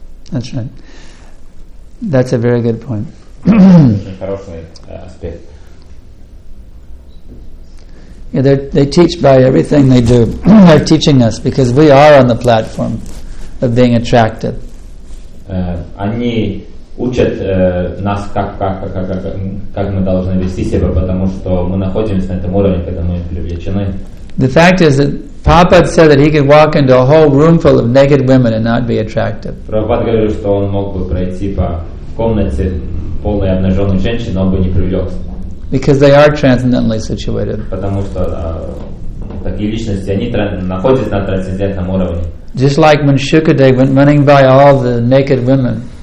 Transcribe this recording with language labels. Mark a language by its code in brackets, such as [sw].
[en] That's right. That's a very good point. [ru] Очень хороший аспект. [en] Yeah, they teach by everything they do. They're teaching us because we are on the platform of being attracted. [ru] Они учат нас как мы должны вести себя, потому что мы находимся на этом уровне, когда мы привлечены. [en] The fact is that Prabhupada said that he could walk into a whole room full of naked women and not be attracted. [ru] Прабхупада говорил, что он мог бы пройти по комнате полной обнаженных женщин, но бы не привлекся. [en] Because they are transcendentally situated. [ru] Потому что такие личности, они находятся на трансцендентном уровне. [en] Just like when Shukadeva went running by all the naked women.